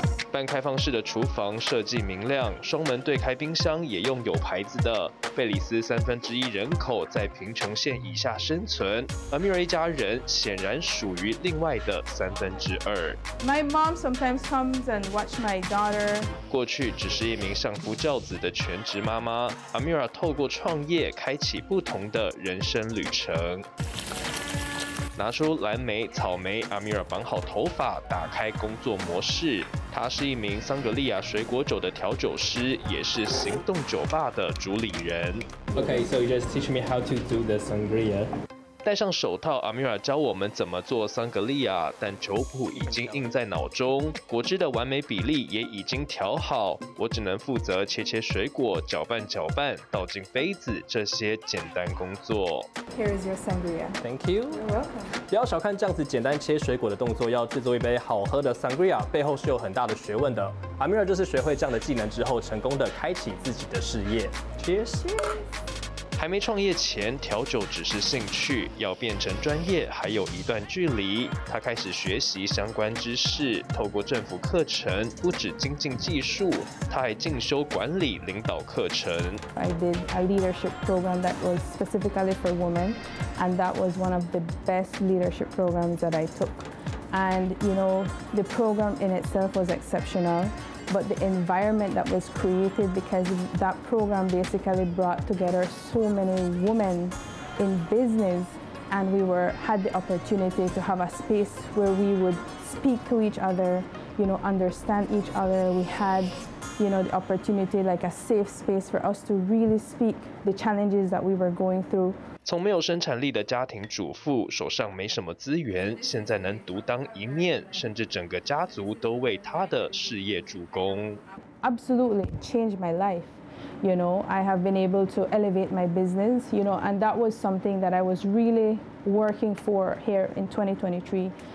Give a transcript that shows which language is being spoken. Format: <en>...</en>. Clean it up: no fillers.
<zh>半开放式的厨房设计明亮，双门对开冰箱也用有牌子的。贝里斯1/3人口在贫穷线以下生存，而 Amira 一家人显然属于另外的2/3。</zh> <en>My mom sometimes comes and watch my daughter。</en> <zh>过去只是一名相夫教子的全职妈妈， Amira 透过创业开启不同的人生旅程。拿出蓝莓、草莓， Amira 绑好头发，打开工作模式。他是一名桑格利亚水果酒的调酒师，也是行动酒吧的主理人。</zh> <en>Okay, so you just teach me how to do the sangria.</en> <zh>戴上手套， Amira 教我们怎么做桑格利亚，但酒谱已经印在脑中，果汁的完美比例也已经调好，我只能负责切切水果、搅拌搅拌、倒进杯子这些简单工作。</zh> <en>Here is your sangria. Thank you. You're welcome.</en> <zh>不要小看这样子简单切水果的动作，要制作一杯好喝的 sangria 背后是有很大的学问的。 Amira 就是学会这样的技能之后，成功的开启自己的事业。</zh> <en>Cheers！</en> <zh>还没创业前，调酒只是兴趣，要变成专业还有一段距离。他开始学习相关知识，透过政府课程，不止精进技术，他还进修管理领导课程。</zh> <en>I did a leadership program that was specifically for women, and that was one of the best leadership programs that I took. And you know, the program in itself was exceptional. But the environment that was created because that program basically brought together so many women in business, and we were had the opportunity to have a space where we would speak to each other, you know, understand each other. We had, you know, the opportunity like a safe space for us to really speak the challenges that we were going through.</en> <zh>从没有生产力的家庭主妇，手上没什么资源，现在能独当一面，甚至整个家族都为她的事业助攻。</zh> <en>Absolutely changed my life. You know, I have been able to elevate my business. You know, and that was something that I was really working for here in 2023.</en>